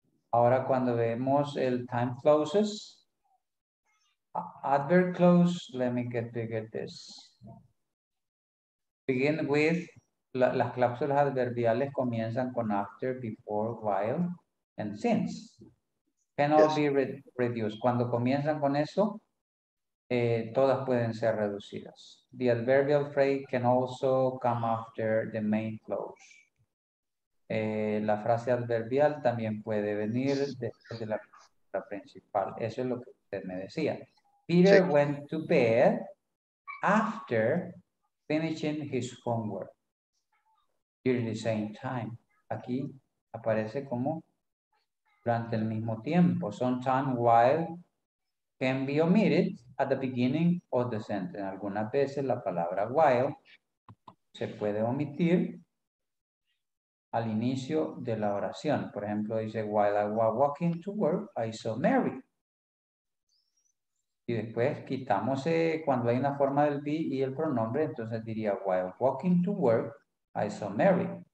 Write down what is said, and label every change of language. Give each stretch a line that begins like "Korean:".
Spanish: Ahora, cuando vemos el
English: time clauses, adverb clause, let me get bigger this. Begin with.
Spanish: Las cláusulas adverbiales comienzan con after, before, while, and since.
English: Cannot be reduced.
Spanish: Cuando comienzan con eso, todas pueden ser reducidas.
English: The adverbial phrase can also come after the main clause.
Spanish: La frase adverbial también puede venir después de la principal. Eso es lo que usted me decía.
English: Peter went to bed after finishing his homework. During the same time.
Spanish: Aquí aparece como durante el mismo tiempo.
English: Sometimes while can be omitted at the beginning of the sentence.
Spanish: Algunas veces la palabra while se puede omitir al inicio de la oración. Por ejemplo, dice,
English: while I was walking to work, I saw Mary.
Spanish: Y después quitamos cuando hay una forma del be y el pronombre, entonces diría,
English: while walking to work, I saw Mary.